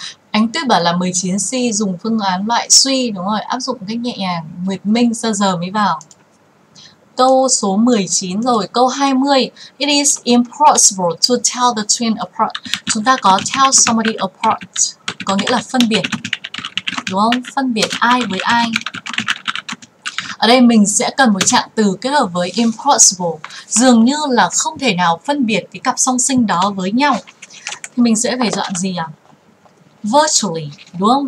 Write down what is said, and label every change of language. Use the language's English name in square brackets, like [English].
[Vietnamese] Ánh Tuyết bảo là 19C dùng phương án loại suy, đúng rồi, áp dụng cách nhẹ nhàng. Nguyệt Minh sao giờ mới vào? Câu số 19 rồi, câu 20. [English] It is impossible to tell the twin apart. [Vietnamese] Chúng ta có [English] tell somebody apart, [Vietnamese] có nghĩa là phân biệt, đúng không? Phân biệt ai với ai. Ở đây mình sẽ cần một trạng từ kết hợp với impossible. Dường như là không thể nào phân biệt cái cặp song sinh đó với nhau. Thì mình sẽ phải dọn gì à? Virtually, đúng không?